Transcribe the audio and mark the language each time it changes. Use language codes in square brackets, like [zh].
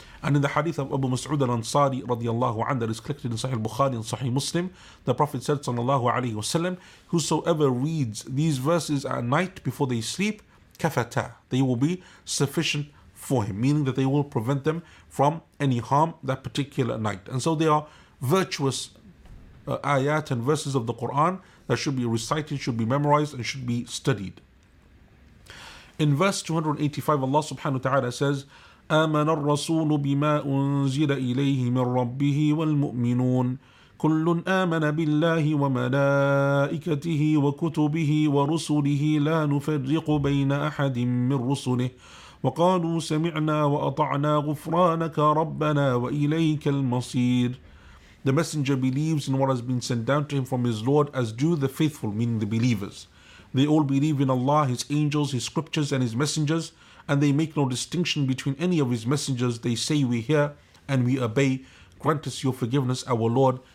[en] And in the hadith of Abu Mas'ud al-Ansari radiallahu anhu, that is collected in Sahih Bukhari and Sahih Muslim, the Prophet said sallallahu alayhi wa sallam, whosoever reads these verses at night before they sleep, kafata, they will be sufficient for him, meaning that they will prevent them from any harm that particular night. And so they are virtuous ayat and verses of the Quran that should be recited, should be memorized, and should be studied. In verse 285, Allah subhanahu wa ta'ala says, [ar] آمن الرسول بما أنزل إليه من ربه والمؤمنون كل آمن بالله وملائكته وكتبه ورسله لا نفرق بين أحد من رسله وقالوا سمعنا وأطعنا غفرانك ربنا وإليك المصير. [en] The messenger believes in what has been sent down to him from his Lord, as do the faithful, meaning the believers. They all believe in Allah, His angels, His scriptures, and His messengers, and they make no distinction between any of His messengers. They say, we hear and we obey. Grant us your forgiveness, our Lord.